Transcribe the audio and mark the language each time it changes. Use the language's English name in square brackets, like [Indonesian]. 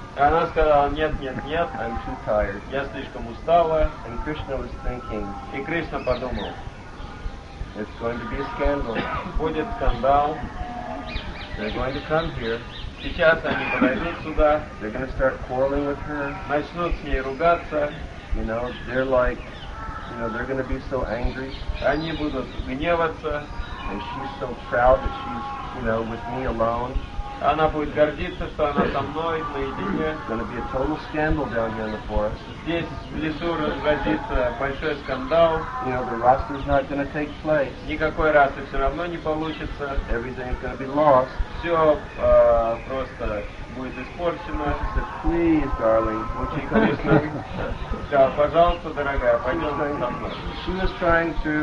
[Russian] Она сказала, нет, нет, нет. [English] I'm too tired. [Russian] Я слишком устала. [English] And Krishna was thinking. [Russian] И Кришна подумал. [English] It's going to be a scandal. [Russian] Будет скандал. [English] They're going to come here. [Russian] Сейчас они подойдут сюда. [English] They're going to start quarreling with her. [Russian] Начнут с ней ругаться. [English] You know, they're like, you know, they're going to be so angry. [Russian] Они будут гневаться. [English] And she's so proud that she's, you know, with me alone. [Russian] Она будет гордиться, что она со мной, наедине. [English] It's going to be a total scandal down here in the forest. [Russian] Здесь, в лесу, разразится большой скандал. [English] You know, the rasta's not going to take place. [Russian] Никакой расы все равно не получится. [English] Everything is going to be lost. [Russian] Все просто будет испорчено. [English] She said, please, darling, won't you come with me? [Russian] Да, пожалуйста, дорогая, пойдем со мной.